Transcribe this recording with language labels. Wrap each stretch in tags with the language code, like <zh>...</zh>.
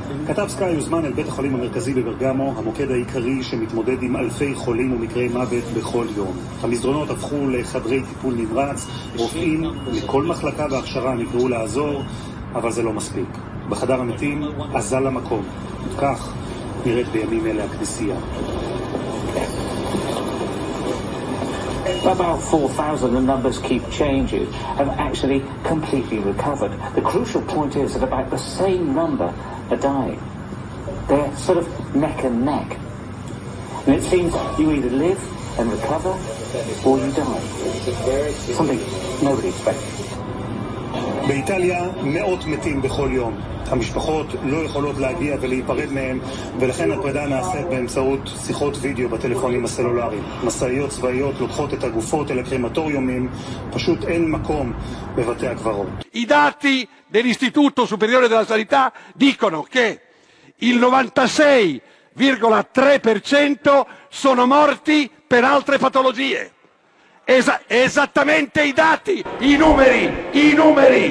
<he>כתב סקאי יוזמן אל בית החולים המרכזי בברגמו, המוקד העיקרי שמתמודד עם אלפי חולים ומקרי מוות בכל יום. המסדרונות הפכו לחדרי טיפול נמרץ, רופאים מכל מחלקה והכשרה נקראו לעזור, אבל זה לא מספיק. בחדר המתים, עזל המקום. כך נראית בימים אלה הכנסייה.</he> <en>About 4,000, the numbers keep changing, have actually completely recovered. The crucial point is that about the same number are dying. They're sort of neck and neck. And it seems you either live and recover, or you die. Something nobody expected.</en> <he>באיטליה מאות מתים בכל יום. המשפחות לא יכולות להגיע ולהיפרד מהם, ולכן הפרידה נעשית באמצעות שיחות וידאו בטלפונים הסלולריים. משאיות צבאיות לוקחות את הגופות אל הקרמטוריומים, פשוט אין מקום בבתי הקברות.</he> <it>I dati dell'Istituto Superiore della Sanità dicono che il 96,3% sono morti per altre patologie. esattamente i dati, i numeri, i numeri.</it>